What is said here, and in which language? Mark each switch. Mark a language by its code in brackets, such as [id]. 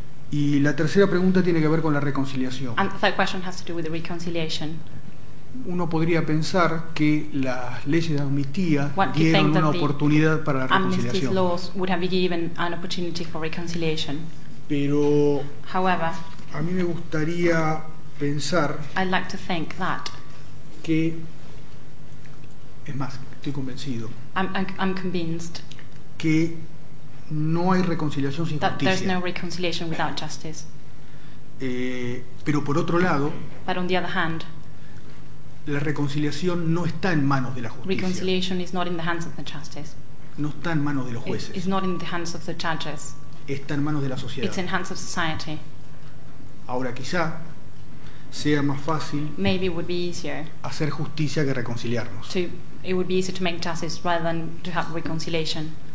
[es] Y la tercera pregunta tiene que ver con la reconciliación. [en] And the third question has to do with the reconciliation. [es] Uno podría pensar que las leyes de amnistía dieron una oportunidad para la reconciliación. [en] Amnesty laws would have given an opportunity for reconciliation. [es] Pero [en] however, [es] a mí me gustaría pensar [en] I'd like to think that [es] que, es más, estoy convencido [en] I'm convinced [es] que no hay reconciliación sin [en] that [es] justicia. [en] There's no reconciliation without justice. [es] Pero por otro lado, [en] but on the other hand, [es] la reconciliación no está en manos de la justicia. [en] Reconciliation is not in the hands of the justice. [es] No está en manos de los jueces. [en] It's not in the hands of the judges. [es] Está en manos de la sociedad. [en] It's in hands of society. [es] Ahora quizá sea más fácil [en] maybe it would be easier [es] hacer justicia que reconciliarnos. [en] It would be easier to make justice rather than to have reconciliation.